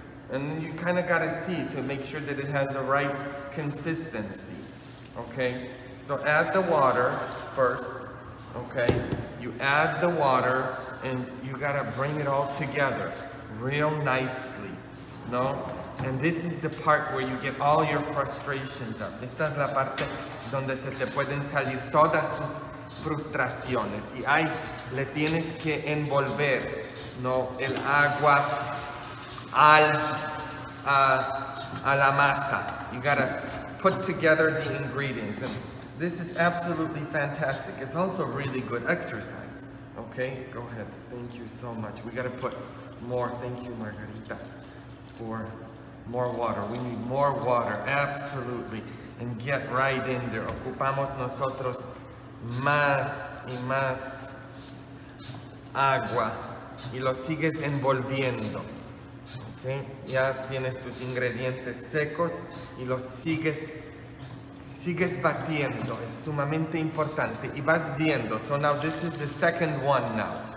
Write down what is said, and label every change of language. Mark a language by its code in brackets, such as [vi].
[en] And you kind of got to see to make sure that it has the right consistency, ¿ok? So add the water first. Okay, you add the water and you gotta bring it all together real nicely, no? And this is the part where you get all your frustrations up. [es] Esta es la parte donde se te pueden salir todas tus frustraciones. Y ahí le tienes que envolver, no, el agua a la masa. [en] You gotta put together the ingredients. And this is absolutely fantastic. It's also really good exercise. Okay, go ahead. Thank you so much. We gotta put more. Thank you, Margarita, for more water. We need more water, absolutely. And get right in there. [es] Ocupamos nosotros más y más agua. Y lo sigues envolviendo. Okay, ya tienes tus ingredientes secos y los sigues. Sigues batiendo, es sumamente importante. Y vas viendo. [en] So now this is the second one now.